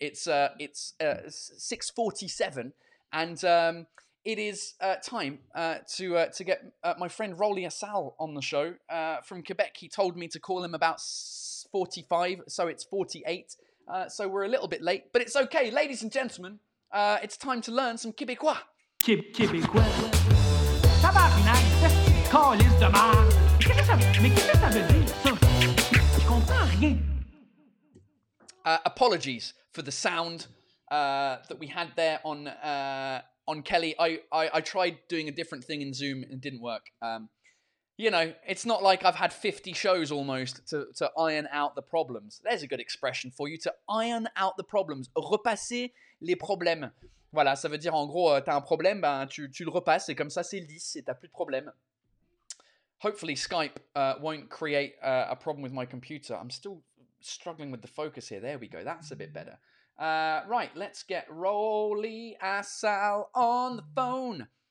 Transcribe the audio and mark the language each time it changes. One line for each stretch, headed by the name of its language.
English: It's 6:47 and it is time to get my friend Rolly Assal on the show from Quebec. He told me to call him about 45, so it's 48. So we're a little bit late, but it's okay, ladies and gentlemen. It's time to learn some Québécois.
French: Québécois. Tabarnak, calice de merde. Qu'est-ce que ça veut dire, ça? Je comprends rien.
English: Apologies for the sound that we had there on Kelly. I tried doing a different thing in Zoom and it didn't work. You know, it's not like I've had 50 shows almost to iron out the problems. There's a good expression for you, to iron out the problems.
French: Repasser les problèmes. Voilà, ça veut dire en gros, t'as un problème, ben tu le repasses et comme ça c'est lisse et t'as plus de problème.
English: Hopefully Skype won't create a problem with my computer. I'm still struggling with the focus here. There we go, that's a bit better. Right, let's get Rolly Assal on the phone.